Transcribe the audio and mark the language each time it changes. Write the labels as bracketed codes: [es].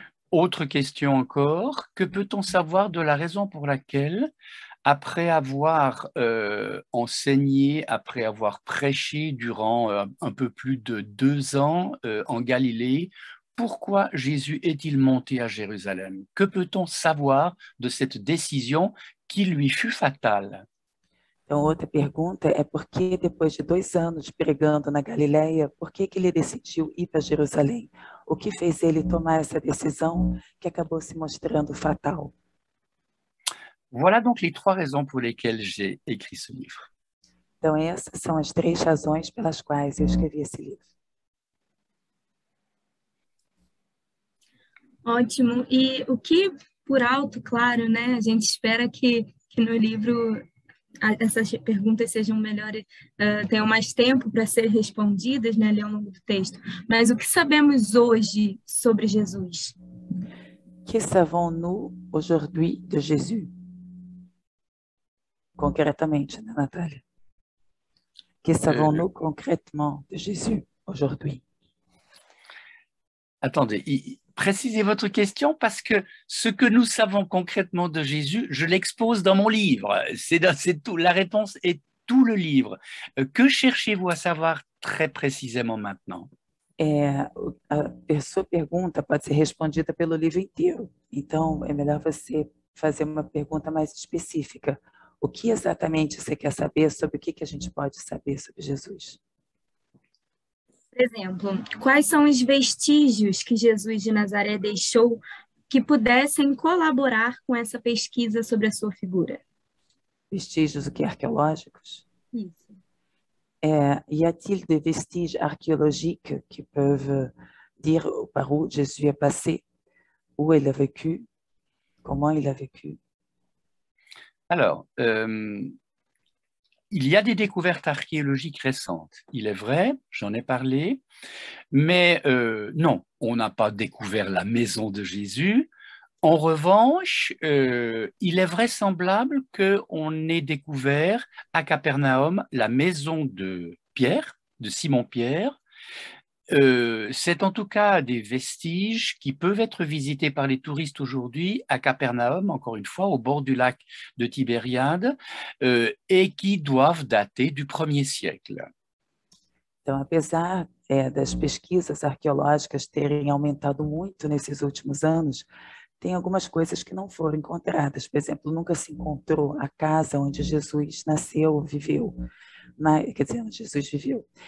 [fr] Autre question encore, que peut-on savoir de la raison pour laquelle, après avoir enseigné, après avoir prêché durant un peu plus de 2 ans en Galilée, pourquoi Jésus est-il monté à Jérusalem? Que peut-on savoir de cette décision qui lui fut fatale? [pt] Então, outra pergunta é por que depois de 2 anos pregando na Galileia, por que que ele decidiu ir para Jerusalém? O que fez ele tomar essa decisão que acabou se mostrando fatal? Voilà donc les trois raisons pour lesquelles j'ai écrit ce livre. Então, essas são as três razões pelas quais eu escrevi esse livro. Ótimo. E o que, por alto, claro, né, a gente espera que no livro essas perguntas sejam melhores, tenham mais tempo para ser respondidas, né, ao longo do texto. Mas o que sabemos hoje sobre Jesus? [fr] Que savons-nous aujourd'hui de Jésus? [pt] Concretamente, né, Natália? [fr] Que savons-nous concrètement de Jésus aujourd'hui? Attendez, précisez votre question parce que ce que nous savons concrètement de Jésus, je l'expose dans mon livre. C'est tout, la réponse est tout le livre. Que cherchez-vous à savoir très précisément maintenant? [pt] A sua pergunta pode ser respondida pelo livro inteiro. Então, é melhor você fazer uma pergunta mais específica. O que exatamente você quer saber sobre o que que a gente pode saber sobre Jesus? Por exemplo, quais são os vestígios que Jesus de Nazaré deixou que pudessem colaborar com essa pesquisa sobre a sua figura? Vestígios o que? Arqueológicos? Isso. [fr] Y a-t-il des vestiges archéologiques qui peuvent dire par où Jésus est passé, où il a vécu, comment il a vécu? Alors, il y a des découvertes archéologiques récentes, il est vrai, j'en ai parlé, mais non, on n'a pas découvert la maison de Jésus. En revanche, il est vraisemblable qu'on ait découvert à Capernaum la maison de Pierre, de Simon-Pierre, C'est en tout cas des vestiges qui peuvent être visités par les touristes aujourd'hui à Capernaum, encore une fois, au bord du lac de Tibériade, et qui doivent dater du 1er siècle. [pt] Então, apesar das pesquisas arqueológicas terem aumentado muito nesses últimos anos, tem algumas coisas que não foram encontradas. Por exemplo, nunca se encontrou a casa onde Jesus nasceu, viveu, quer dizer, onde Jesus viveu.